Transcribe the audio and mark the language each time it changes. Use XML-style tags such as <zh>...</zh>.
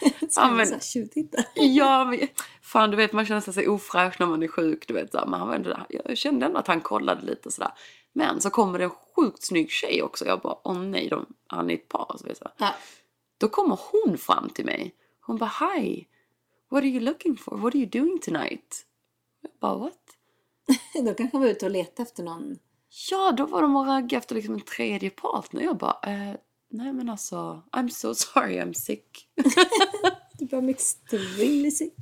<sv>Ska ja, men, så här tjuvtitta? Ja, men, fan du vet, man känner sig ofräsch när man är sjuk. Du vet, så här, men han var ändå, jag kände ändå att han kollade lite sådär. Men så kommer det en sjukt snygg tjej också. Jag bara, åh nej, han är ett par. Så vet jag. Ja. Då kommer hon fram till mig. Hon bara, hi.</sv> <en>What are you looking for? What are you doing tonight?</en> <sv>Jag bara,</sv> <en>what?</en> <sv>Då kanske var ute och leta efter någon. Ja, då var de och ragga efter liksom en tredje partner. Jag bara, nej men alltså,</sv> <en>I'm so sorry, I'm sick.</en> <sv>Du bara,</sv> <en>I'm extremely sick.</en>